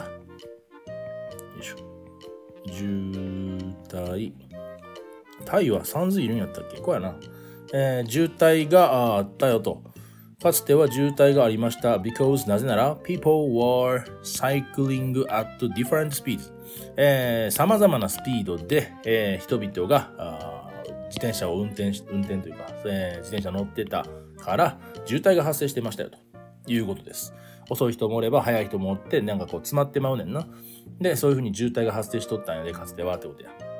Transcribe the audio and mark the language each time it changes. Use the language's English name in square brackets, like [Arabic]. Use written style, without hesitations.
[Japanese] よいしょ。渋滞。タイはサンズいるんやったっけ？こうやな。渋滞があったよと。かつては渋滞がありました。 [English] Because [Japanese] なぜなら、 [English] people were cycling at different speeds. [Japanese] さまざまなスピードで、人々が自転車を運転というか、自転車乗ってたから渋滞が発生してましたよということです。遅い人もおれば早い人もおってなんかこう詰まってまうねんな。でそういう風に渋滞が発生しとったんやで、かつてはってことや。